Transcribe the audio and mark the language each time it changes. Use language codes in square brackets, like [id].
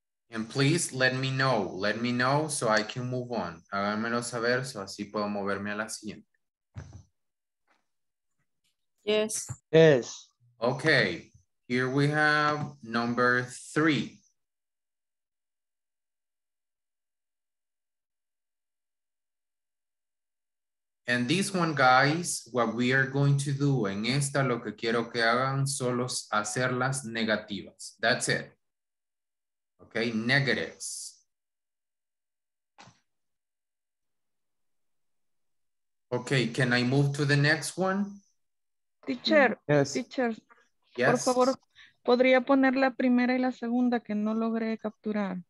[en] And please let me know so I can move on. [es] Háganmelo saber so así puedo moverme a la siguiente. [en] Yes. Yes. Okay. Here we have number three. And this one, guys, what we are going to do, [es] en esta lo que quiero que hagan solo es hacer las negativas. [en] That's it. Okay, negatives. Okay, can I move to the next one? Teacher. Yes. Teacher. Yes. [es] Por favor, podría poner la primera y la segunda que no logré capturar.